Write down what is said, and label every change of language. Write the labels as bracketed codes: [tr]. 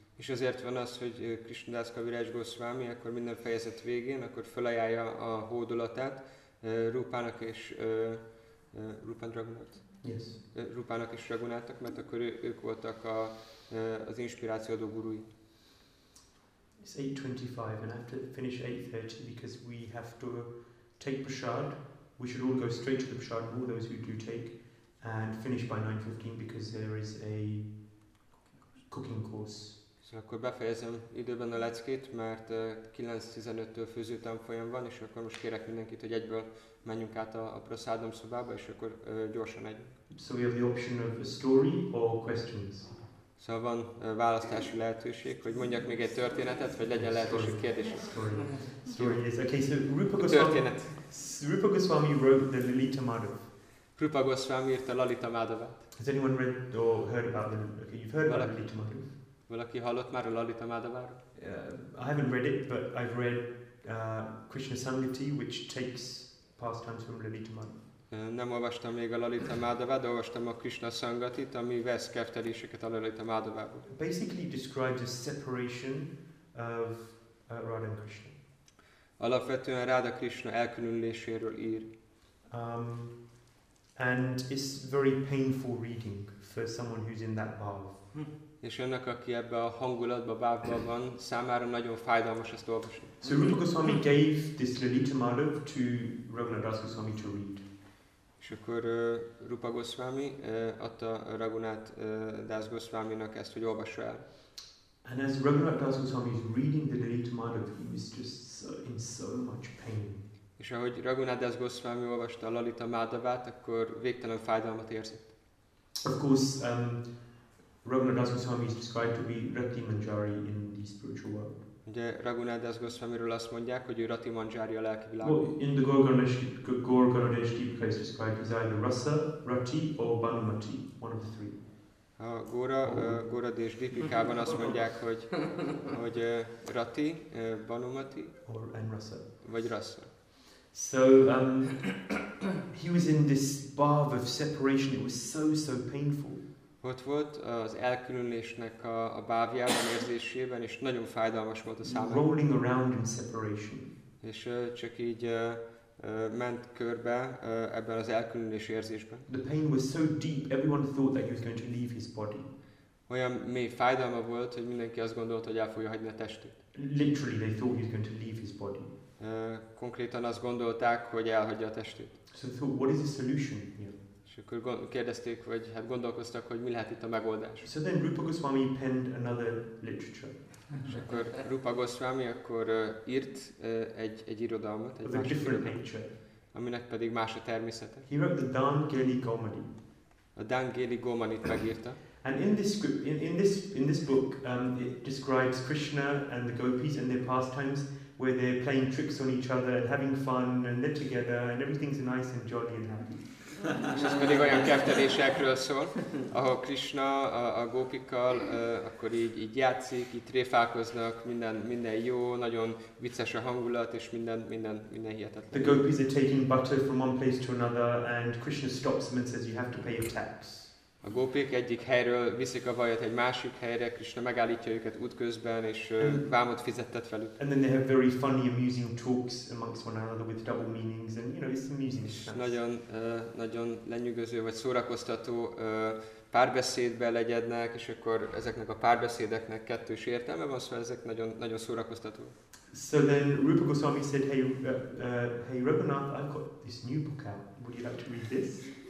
[hu] És ezért van az, hogy Krishnadas Kaviraj Goswami akkor minden fejezet végén akkor felajánlja a hódolatát Rupának és Rupa Raghunath. [en] Yes. [hu] Rupának és Raghunathnak, mert akkor ők voltak az inspirációadó gurui. [en] It's 8:25 and I have to finish 8:30 because we have to take prashad, we should all go straight to the prashad, all those who do take, and finish by 9:15 because there is a cooking course. [hu] So akkor befejezem időben a leckét, mert 9:15-től főzőtanfolyam van, és akkor most kérek mindenkit, hogy egyből menjünk át a prasádom szobába, és akkor gyorsan egy. [en] So we have the option of a story or questions. [hu] Szóval van választási lehetőség, hogy mondjak még egy történetet, vagy legyen lehetőség kérdésre. [en] Story is. Okay, so Rupa Goswami, Rupa Goswami wrote the Lalita Madhava. [hu] Rupa Goswami írta Lalita Madhavát. [en] Has anyone read or heard about the... Okay, you've heard about Lalita Madhava. [hu] Valaki hallott már a Lalita Madhaváról? [en] I haven't read it, but I've read Krishna Samhiti, which takes pastimes from Lalita Madhava. [hu] Nem olvastam még a Lalita Madhavát, de olvastam a Krishna Sangatit, ami vesz kefteléseket a Lalita Madhavából. [en] Basically describes a separation of Radha and Krishna. [hu] Alapvetően Radha Krishna elkülönüléséről ír. [en] And it's very painful reading for someone who's in that bhava. [hu] És annak, aki ebbe a hangulatba, bhavban van, számára nagyon fájdalmas ezt olvasni. [en] So Rupa Goswami gave this Lalita Madhava to Raghunadas Goswami to read. [hu] És akkor Rupa Goswami adta Raghunath Das Goswaminak ezt, hogy olvassa el. [en] And as Raghunath Das Goswami is reading the Lalita Madhava, he was just so, in so much pain. [hu] És ahogy Raghunath Das Goswami olvasta a Lalita Madhavát, akkor végtelen fájdalmat érzett. [en] Of course, Raghunath Das Goswami is described to be Rati Manjari in the spiritual world. [hu] Ugye Raghunath Das Goswamiről azt mondják, hogy ő Rati Manjari a lelki világ. [en] Well, in the Gorgonadesh Deepika is described as either Rasa, Rati or Banumati, one of the three. [hu] A Gorgonadesh Deepikában azt mondják, hogy, hogy Rati, Banumati, [en] or, and Rasa. [hu] Vagy Rasa. [en] So, he was in this bath of separation, it was so, so painful. [hu] Ott volt az elkülönülésnek a bávjában, érzésében, és nagyon fájdalmas volt a számára. [en] Rolling around in separation. [hu] És csak így ment körbe ebben az elkülönülés érzésben. [en] The pain was so deep, everyone thought that he was going to leave his body. [hu] Olyan mély fájdalma volt, hogy mindenki azt gondolta, hogy el fogja hagyni a testét. [en] Literally, they thought he was going to leave his body. [hu] Konkrétan azt gondolták, hogy elhagyja a testét. [en] So they thought, what is the solution here? [hu] És akkor kérdezték, vagy hát gondolkoztak, hogy mi lehet itt a megoldás. [en] So then Rupa Goswami penned another literature. [hu] És akkor Rupa Goswami akkor írt egy irodalmat, egy másik irodalmat, aminek pedig más a természete. [en] He wrote the Dan Geli Gomani. [hu] A Dan Geli Gomanit megírta. [en] And in this book it describes Krishna and the gopis and their pastimes, where they're playing tricks on each other and having fun and they're together and everything's nice and jolly and happy. [hu] És ez pedig olyan keftelésekről szól, ahol Krishna a gópikkal akkor így játszik, így tréfálkoznak, minden jó, nagyon vicces a hangulat, és minden hihetetlen. [en] The gopis are taking butter from one place to another, and Krishna stops them and says, you have to pay your tax. [hu] A gópik egyik helyről viszik a vajat egy másik helyre, Krishna megállítja őket útközben, és vámot fizettet velük. [en] And then they have very funny, amusing talks amongst one another with double meanings, and you know, it's amusing. [hu] Nagyon lenyűgöző, vagy szórakoztató párbeszédbe legyednek, és akkor ezeknek a párbeszédeknek kettős értelme van, szóval ezek nagyon szórakoztató. [en] So then Rupa Goswami said, hey Raghunath, I've got this new book out, would you like to read this?